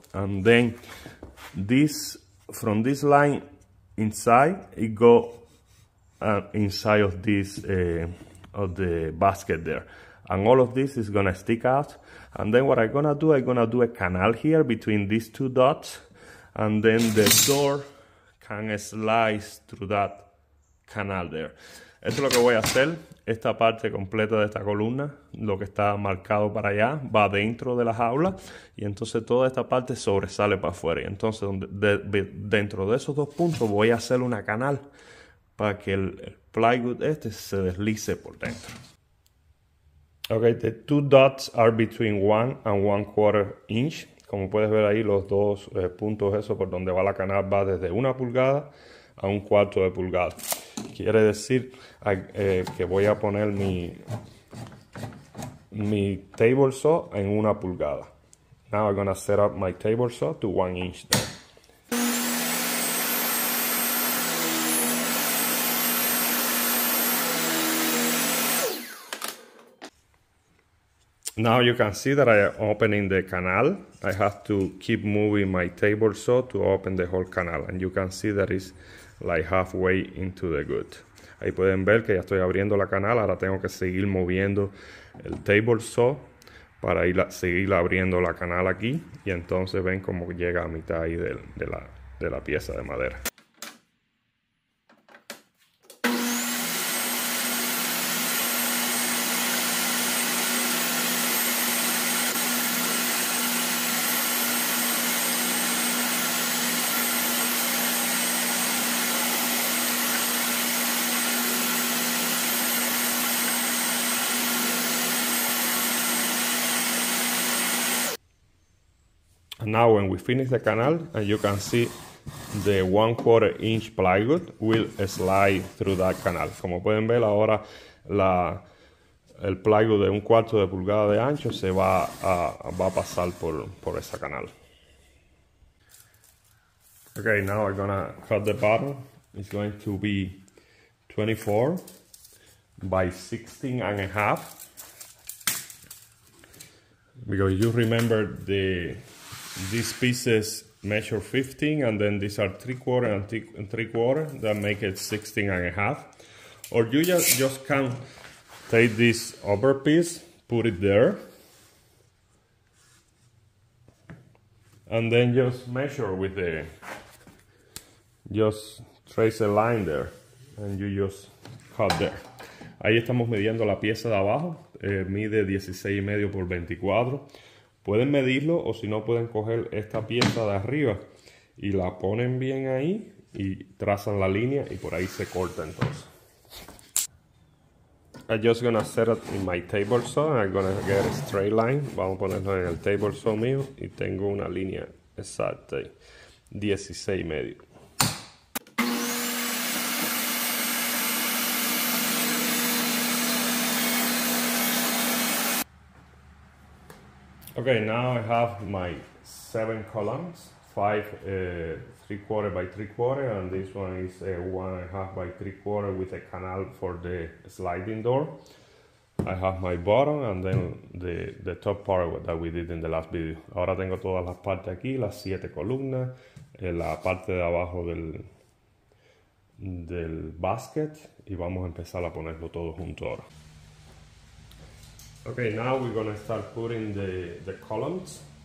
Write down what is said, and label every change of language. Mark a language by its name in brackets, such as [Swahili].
[English] And then this, from this line inside, it go inside of this, of the basket there. And all of this is gonna stick out. And then what I'm gonna do, I'm gonna do a canal here between these two dots. And then the door can slice through that canal there. [Spanish] Esto es lo que voy a hacer. Esta parte completa de esta columna, lo que está marcado para allá, va dentro de la jaula. Y entonces toda esta parte sobresale para afuera. Y entonces dentro de esos dos puntos voy a hacer una canal para que el plywood este se deslice por dentro. [English] Okay, the two dots are between 1 1/4 inch. [Spanish] Como puedes ver ahí, los dos puntos esos por donde va la canal va desde 1 pulgada a 1/4 pulgada. Quiere decir que voy a poner mi table saw en 1 pulgada. [English] Now I'm gonna set up my table saw to 1 inch there. Now you can see that I am opening the canal. I have to keep moving my table saw to open the whole canal. And you can see that it's like halfway into the good. [Spanish] Ahí pueden ver que ya estoy abriendo la canal. Ahora tengo que seguir moviendo el table saw para seguir abriendo la canal aquí. Y entonces ven cómo llega a mitad ahí de la pieza de madera. [English] Now when we finish the canal, and you can see the 1/4 inch plywood will slide through that canal. [Spanish] Como pueden ver ahora, el plywood de 1/4 pulgada de ancho se va a pasar por esa canal. [English] Okay, now I'm gonna cut the bottom. It's going to be 24 by 16.5. Because you remember these pieces measure 15, and then these are 3/4 and 3/4 that make it 16.5. Or you just can take this upper piece, put it there, and then just measure with the, just trace a line there, and you just cut there. [Spanish] Ahí estamos midiendo la pieza de abajo, mide 16.5 por 24. Pueden medirlo, o si no, pueden coger esta pieza de arriba y la ponen bien ahí y trazan la línea y por ahí se corta entonces. [English] I'm just gonna set it in my table saw and I'm gonna get a straight line. [Spanish] Vamos a ponerlo en el table saw mío y tengo una línea exacta, 16.5. [English] Okay, now I have my 7 columns, 5 3/4 by 3/4, and this one is 1.5 by 3/4 with a canal for the sliding door. I have my bottom and then the top part that we did in the last video. [Spanish] Ahora tengo todas las partes aquí, las 7 columnas, la parte de abajo del basket, y vamos a empezar a ponerlo todo junto ahora. [English] Okay, now we're gonna start putting the columns.